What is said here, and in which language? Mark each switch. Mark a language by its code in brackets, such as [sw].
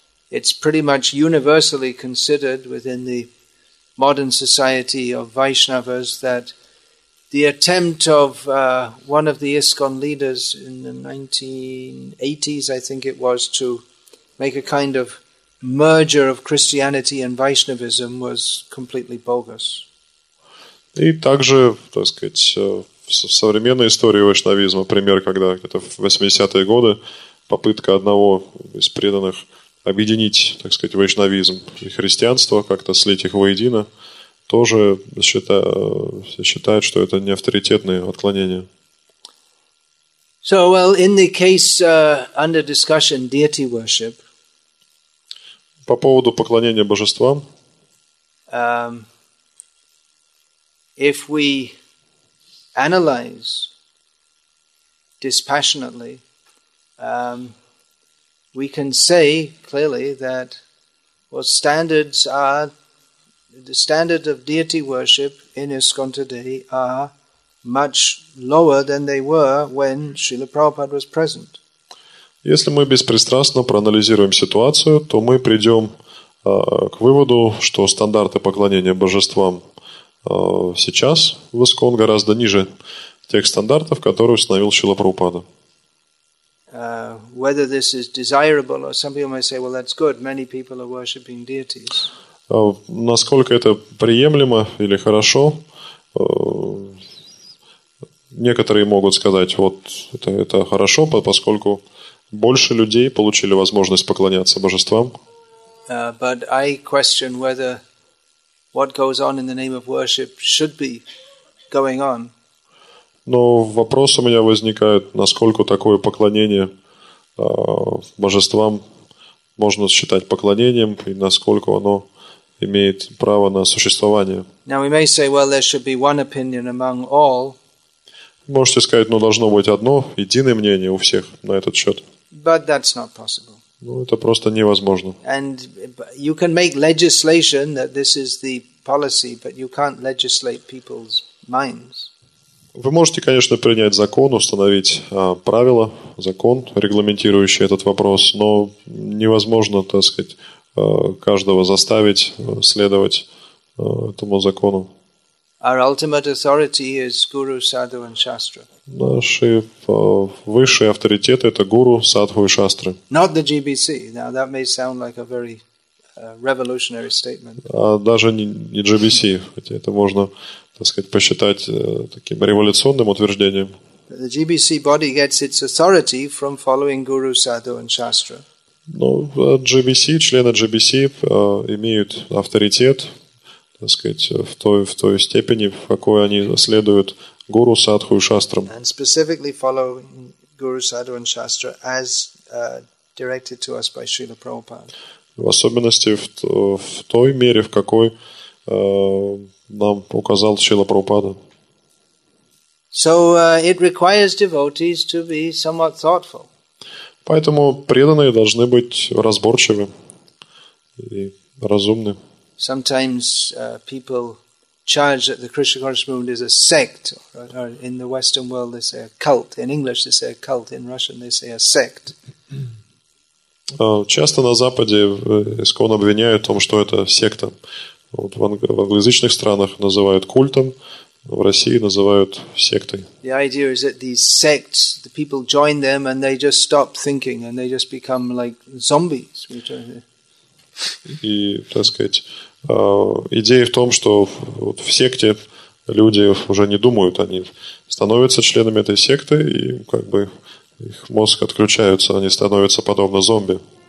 [en] It's pretty much universally considered within the modern society of Vaishnavas that the attempt of one of the ISKCON leaders in the 1980s, I think it was, to make a kind of merger of Christianity and Vaishnavism was completely bogus. [ru] И также, так сказать, в современной истории вайшнавизма, пример, когда где-то в 80-е годы попытка одного из преданных объединить, так сказать, вайшнавизм и христианство, как-то слить их воедино, тоже считают, что это не авторитетные отклонения. [en] So, well, in the case under discussion, deity worship. [ru] По поводу поклонения божествам. [en] If we analyze dispassionately, we can say clearly that standards are the standard of deity worship in ISKCON today are much lower than they were when Srila Prabhupada was present. [ru] Если мы беспристрастно проанализируем ситуацию, то мы придем к выводу, что стандарты поклонения божествам сейчас в ISKCON гораздо ниже тех стандартов, которые установил Шрила Прабхупада. [en] Whether this is desirable, or some people may say, well, that's good, many people are worshipping deities. [ru] Насколько это приемлемо или хорошо, некоторые могут сказать, вот это хорошо, поскольку больше людей получили возможность поклоняться божествам. [en] But I question whether what goes on in the name of worship should be going on. [ru] Но вопрос у меня возникает, насколько такое поклонение божествам можно считать поклонением и насколько оно имеет право на существование. [en] Now we may say, well, there should be one opinion among all. [ru] Можете сказать, но должно быть одно, единое мнение у всех на этот счет. [en] But that's not possible. [ru] Ну, это просто невозможно. [en] And you can make legislation that this is the policy, but you can't legislate people's minds. [ru] Вы можете, конечно, принять закон, установить правила, закон, регламентирующий этот вопрос, но невозможно, так сказать, каждого заставить следовать этому закону. [en] Our ultimate authority is Guru, Sadhu and Shastra. [ru] Наши высшие авторитеты – это Гуру, Садху и Шастры. [en] Not the GBC. Now, that may sound like a very revolutionary statement. [ru] А даже не GBC, хотя это можно, так сказать, посчитать таким революционным утверждением. [en] The GBC body gets its authority from following Guru, Sadhu and Shastra. [ru] Ну, GBC, члены GBC имеют авторитет, так сказать, в той степени, в какой они следуют Гуру, Садху и Шастрам. [en] And specifically following Guru, Sadhu and Shastra as directed to us by Srila Prabhupada. [ru] В особенности в той мере, в какой нам указал Шрила Прабхупада. [en] So it requires devotees to be somewhat thoughtful. [ru] Поэтому преданные должны быть разборчивы и разумны. [en] Sometimes people charge that the Krishna conscious movement is a sect. Or in the Western world they say a cult. In English they say a cult. In Russian they say a sect. [ru] Часто на Западе исконно обвиняют в том, что это секта. Вот в англоязычных странах называют культом, в России называют сектой. [en] The idea is that these sects, the people join them and they just stop thinking and they just become like zombies. [ru] И, так сказать, идея в том, что вот в секте люди уже не думают, они становятся членами этой секты и как бы их мозг отключается, они становятся подобно зомби.